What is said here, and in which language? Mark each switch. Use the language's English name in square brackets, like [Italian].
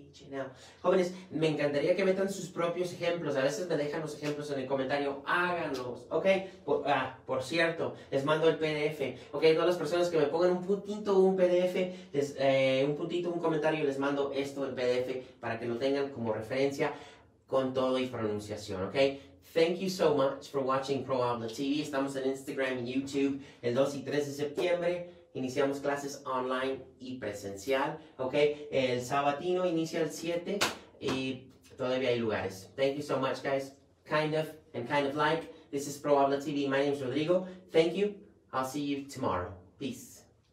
[Spanish] Now, jóvenes, me encantaría que metan sus propios ejemplos. A veces me dejan los ejemplos en el comentario. Háganlos, ¿ok? Por cierto, les mando el PDF. Ok, todas las personas que me pongan un puntito, un PDF, un puntito, un comentario, les mando esto en PDF para que lo tengan como referencia con todo y pronunciación, ¿ok? [English] Thank you so much for watching ProHabla TV. [Spanish] Estamos en Instagram y YouTube el 2 y 3 de septiembre. Iniciamos clases online y presencial, ¿ok? El sabatino inicia el 7 y todavía hay lugares. [English] Thank you so much, guys. Kind of and kind of like. This is ProHabla TV. My name is Rodrigo. Thank you. I'll see you tomorrow. Peace.